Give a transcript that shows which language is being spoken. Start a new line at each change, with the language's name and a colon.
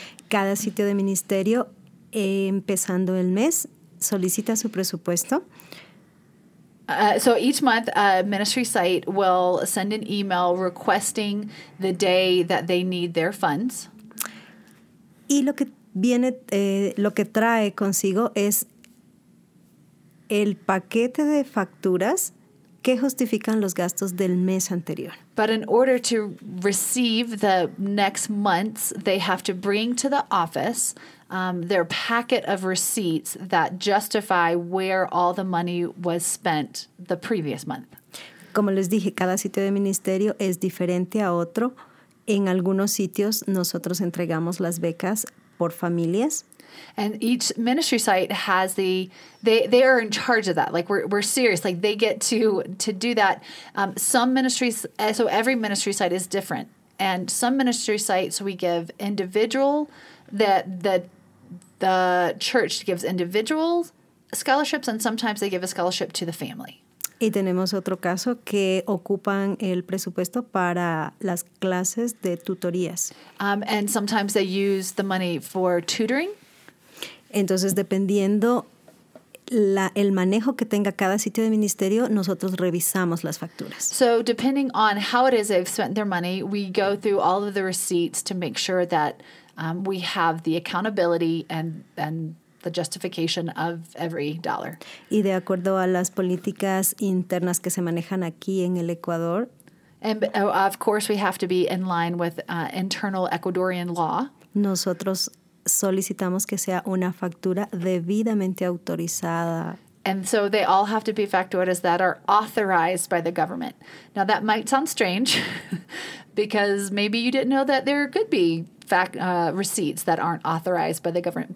Spanish: Cada sitio de ministerio, empezando el mes, solicita su presupuesto.
English: So each month, a ministry site will send an email requesting the day that they need their funds.
Spanish: Y lo que viene, lo que trae consigo es el paquete de facturas que justifican los gastos del mes anterior.
English: But in order to receive the next months, they have to bring to the office their packet of receipts that justify where all the money was spent the previous month.
Spanish: Como les dije, cada sitio de ministerio es diferente a otro. En algunos sitios, nosotros entregamos las becas por familias.
English: And each ministry site has they are in charge of that. Like, we're serious. Like, they get to do that. Some ministries, so every ministry site is different. And some ministry sites, we give individual, the church gives individual scholarships, and sometimes they give a scholarship to the family.
Spanish: Y tenemos otro caso que ocupan el presupuesto para las clases de tutorías.
English: And sometimes they use the money for tutoring.
Spanish: Entonces, dependiendo el manejo que tenga cada sitio de ministerio, nosotros revisamos las facturas.
English: So, depending on how it is they've spent their money, we go through all of the receipts to make sure that we have the accountability and the justification of every dollar.
Spanish: Y de acuerdo a las políticas internas que se manejan aquí en el Ecuador.
English: And of course, we have to be in line with internal Ecuadorian law.
Spanish: Nosotros solicitamos que sea una factura debidamente autorizada.
English: And so they all have to be facturas that are authorized by the government. Now, that might sound strange because maybe you didn't know that there could be receipts that aren't authorized by the government.